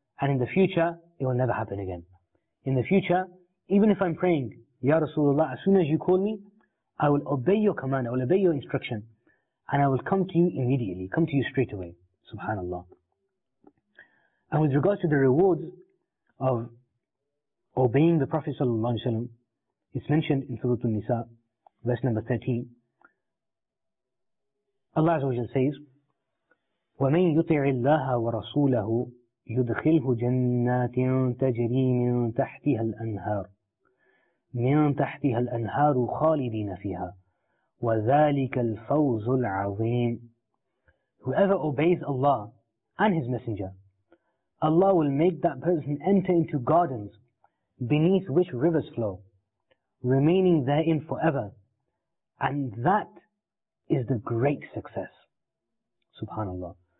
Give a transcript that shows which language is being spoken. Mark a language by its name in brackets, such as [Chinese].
[English] And in the future, it will never happen again. In the future, even if I'm praying, Ya Rasulullah, as soon as you call me, I will obey your command, I will obey your instruction, and I will come to you immediately, come to you straight away. Subhanallah. And with regards to the rewards of obeying the Prophet sallallahu alaihi wasallam, it's mentioned in Surah An-Nisa, verse number 13. [Arabic] Allah Azza wa Jalla says, وَمَنْ يُطِعِ اللَّهَ وَرَسُولَهُ يُدْخِلْهُ جَنَّاتٍ تَجْرِي مِنْ تَحْتِهَا الْأَنْهَارُ مِنْ تَحْتِهَا الْأَنْهَارُ خَالِدِينَ فِيهَا وَذَلِكَ الْفَوْزُ الْعَظِيمُ. [English] Whoever obeys Allah and His Messenger, Allah will make that person enter into gardens beneath which rivers flow, remaining therein forever, and that is the great success. Subhanallah.